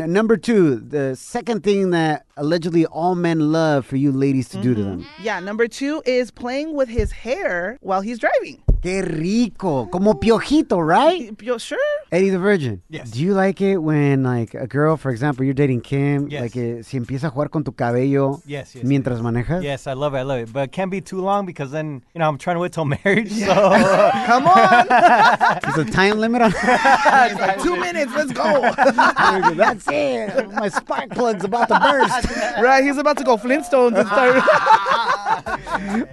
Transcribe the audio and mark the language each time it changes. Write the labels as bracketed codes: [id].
[en] And number two, the second thing that allegedly all men love for you ladies to do to them. Yeah, number two is playing with his hair while he's driving. [es] Qué rico. Como Piojito, right? [en] Sure. Eddie the Virgin. Yes. Do you like it when, like, a girl, for example, you're dating Kim, yes, [es] like, si empieza a jugar con tu cabello mientras manejas? [en] Yes, I love it, I love it. But it can't be too long because then, you know, I'm trying to wait till marriage, so. Come on. There's a time limit on it. Like, 2 minutes, let's go. That's it. My spark plug's about to burst. Right, he's about to go Flintstones and start.